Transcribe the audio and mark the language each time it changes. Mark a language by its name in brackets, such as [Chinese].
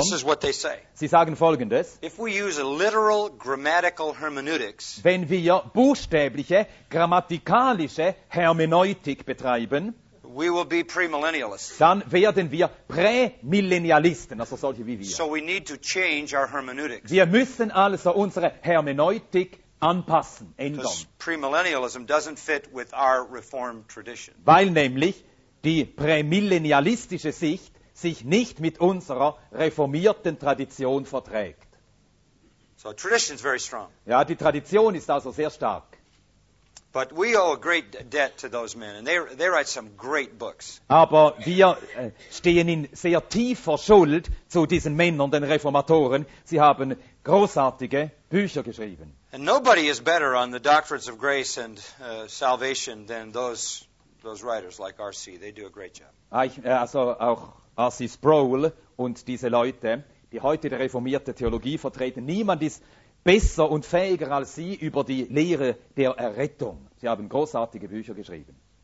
[English] This is what they say. [German] Sie sagen Folgendes. [English] If we use a literal grammatical hermeneutics, [German] wenn wir buchstäbliche, grammatikalische Hermeneutik betreiben, [English] we will be premillennialists. [German] Dann werden wir Prämillennialisten, also solche wie wir. [English] So we need to change our hermeneutics. [German] Wir müssen also unsere Hermeneutik anpassen, ändern. [English] Premillennialism doesn't fit with our reformed tradition. [German] Weil nämlich die prämillennialistische Sicht sich nicht mit unserer reformierten Tradition verträgt. [English] So tradition is very strong. [German] Ja, die Tradition ist also sehr stark. [English] But we owe a great debt to those men, and they write some great books. [German] Aber wir stehen in sehr tiefer Schuld zu diesen Männern, den Reformatoren. Sie haben großartige Bücher geschrieben. [English] And nobody is better on the doctrines of grace and salvation than those writers like R.C. They do a great job. [German] Also auch R.C. Sproul und diese Leute, die heute die reformierte Theologie vertreten. Niemand ist besser und fähiger als sie über die Lehre der Errettung. Sie haben großartige Bücher geschrieben.